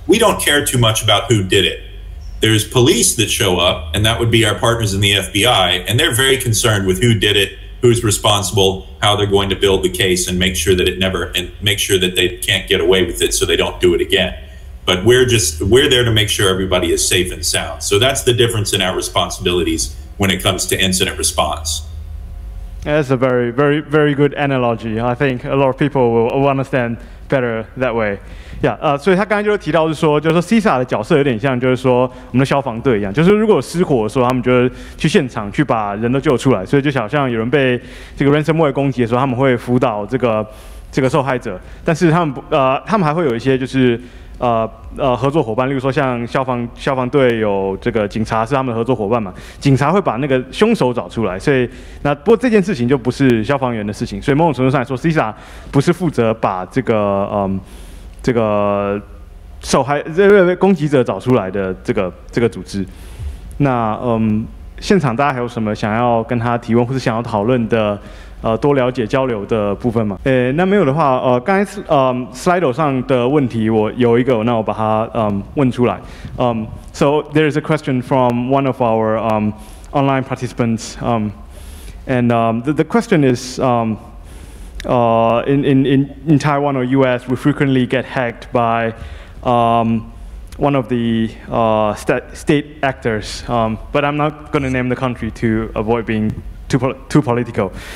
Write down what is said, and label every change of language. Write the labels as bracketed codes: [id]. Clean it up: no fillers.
[en] We don't care too much about who did it. There's police that show up, and that would be our partners in the FBI, and they're very concerned with who did it, who's responsible, how they're going to build the case and make sure that it never, and make sure that they can't get away with it so they don't do it again. But we're there to make sure everybody is safe and sound. So that's the difference in our responsibilities when it comes to incident response. That's a very, very, very good analogy. I think a lot of people will understand better that way. [zh] Yeah, 所以他刚才就提到就是说 CISA 的角色有点像就是说我们的消防队一样，就是如果失火的时候，他们就是去现场去把人都救出来，所以就好像有人被这个 ransomware 攻击的时候，他们会辅导这个受害者，但是他们还会有一些就是合作伙伴，例如说像消防队有这个警察是他们的合作伙伴嘛，警察会把那个凶手找出来，所以那不过这件事情就不是消防员的事情，所以某种程度上来说 CISA 不是负责把这个这个受害攻击者找出来的这个组织。那现场大家还有什么想要跟他提问或是想要讨论的多了解交流的部分吗？那没有的话，刚才Slido 上的问题我有一个，那我把它问出来。 [en] So there is a question from one of our online participants. The question is in Taiwan or US we frequently get hacked by one of the state actors, but I'm not going to name the country to avoid being too political.